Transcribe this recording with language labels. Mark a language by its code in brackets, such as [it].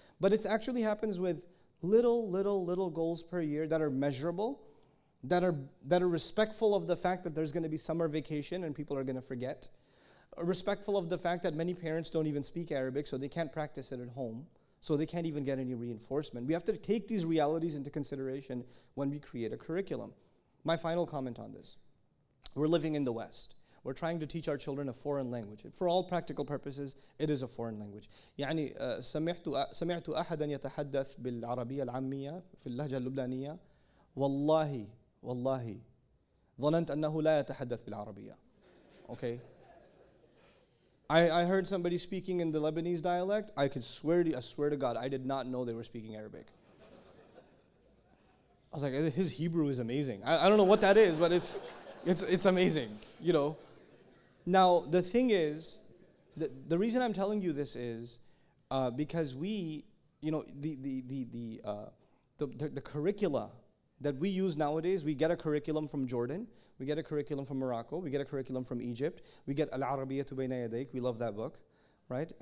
[en] But it actually happens with little goals per year that are measurable, that are respectful of the fact that there's going to be summer vacation and people are going to forget, respectful of the fact that many parents don't even speak Arabic, so they can't practice it at home, so they can't even get any reinforcement. We have to take these realities into consideration when we create a curriculum. My final comment on this. We're living in the West. We're trying to teach our children a foreign language. For all practical purposes, it is a foreign language. [ar] يعني سمعت أحدا يتحدث بالعربية العامية في اللهجة اللبنانية والله والله ظننت أنه لا يتحدث بالعربية. [en] Okay. I heard somebody speaking in the Lebanese dialect. I swear to God, I did not know they were speaking Arabic. I was like, his Hebrew is amazing. I don't know what that is, but it's amazing. You know. Now, the thing is, the reason I'm telling you this is because we, you know, the curricula that we use nowadays, we get a curriculum from Jordan, we get a curriculum from Morocco, we get a curriculum from Egypt, we get Al-Arabiyyatu Bayna Yadayk, we love that book, right?